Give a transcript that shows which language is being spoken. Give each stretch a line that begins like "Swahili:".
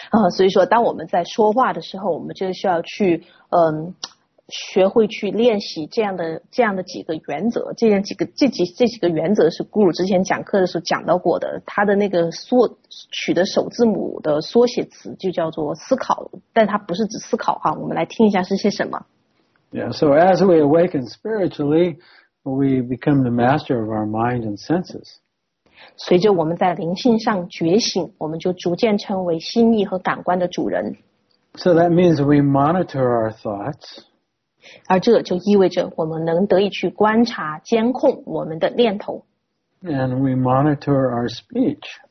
Chinese: 所以说当我们在说话的时候，我们就需要去学会去练习这样的几个原则，这几个原则是Guru之前讲课的时候讲到过的，他的那个取的首字母的缩写词就叫做思考，但他不是指思考哈，我们来听一下是些什么。
English: Yeah, so as we awaken spiritually, we become the master of our mind and senses.
Chinese: 随着我们在灵性上觉醒，我们就逐渐成为心意和感官的主人。
English: So that means we monitor our thoughts.
Chinese: 而这就意味着我们能得以去观察、监控我们的念头。
English: And we monitor our speech.